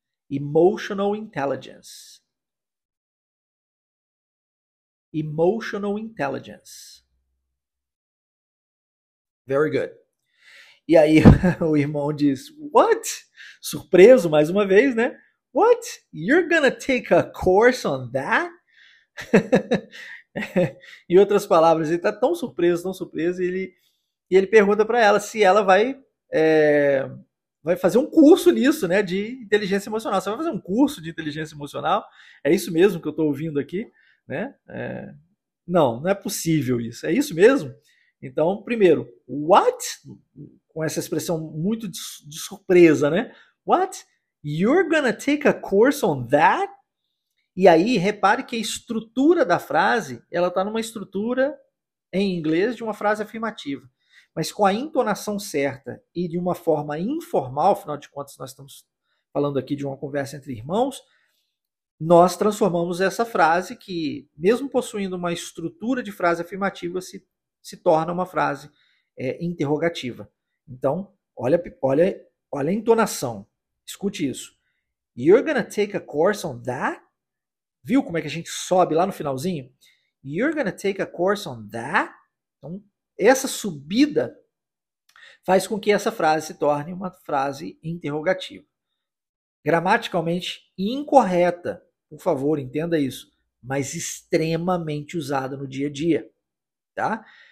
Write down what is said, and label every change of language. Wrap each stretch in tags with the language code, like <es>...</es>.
<en>Emotional intelligence. Emotional intelligence. Very good.</en> <pt>E aí o irmão diz: What? Surpreso mais uma vez, né?</pt> <en>What? You're gonna take a course on that?</en> <pt>Em outras palavras, ele tá tão surpreso, e ele pergunta para ela se ela vai fazer um curso nisso, né? De inteligência emocional. Você vai fazer um curso de inteligência emocional? É isso mesmo que eu estou ouvindo aqui, né? Não, não é possível isso. É isso mesmo? Então, primeiro, what? Com essa expressão muito de surpresa, né?</pt> <en>What? You're gonna take a course on that?</en> <pt>E aí, repare que a estrutura da frase, ela está numa estrutura em inglês de uma frase afirmativa. Mas com a entonação certa e de uma forma informal, afinal de contas, nós estamos falando aqui de uma conversa entre irmãos, nós transformamos essa frase que, mesmo possuindo uma estrutura de frase afirmativa, se torna uma frase interrogativa. Então, olha a entonação. Escute isso.</pt> <en>You're gonna take a course on that?</en> <pt>Viu como é que a gente sobe lá no finalzinho?</pt> <en>You're gonna take a course on that?</en> <pt>Então, essa subida faz com que essa frase se torne uma frase interrogativa. Gramaticalmente incorreta, por favor, entenda isso, mas extremamente usada no dia a dia, tá?</pt>